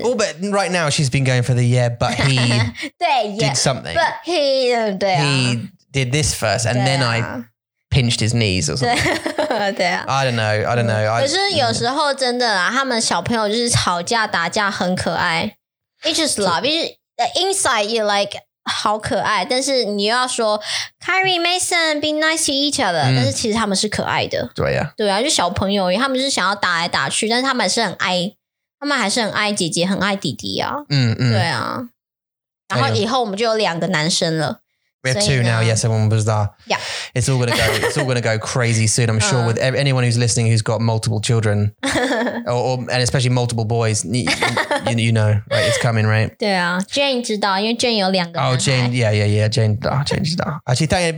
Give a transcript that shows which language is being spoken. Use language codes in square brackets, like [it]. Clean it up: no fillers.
[en] Oh but right now she's been going for the yeah but he [zh] 对 [en] did something but he [zh] 对、啊、 [en] he did this first and then I pinched his knees or something. [zh] 对啊。 [en] I don't know, I don't know. [zh] 可是有时候真的啦，他们小朋友就是吵架打架很可爱。 [en] It's just love. The inside you like, [zh] 好可爱， [en] 但是你又要说 Kyrie, Mason, be nice to each other. [zh] 但是其实他们是可爱的。对啊。对啊，就小朋友，他们是想要打来打去，但是他们是很爱，他们还是很爱姐姐，很爱弟弟啊。对啊。然后以后我们就有两个男生了。 [en] We have two now. Yes, everyone was there. Yeah. It's all going to go, it's all going to go crazy soon. I'm sure with anyone who's listening, who's got multiple children or and especially multiple boys, you know, right. It's coming, right? Yeah. Jane, you know, Jane has two. Oh, Jane. Yeah. Jane. Oh, Jane. Actually, thank you.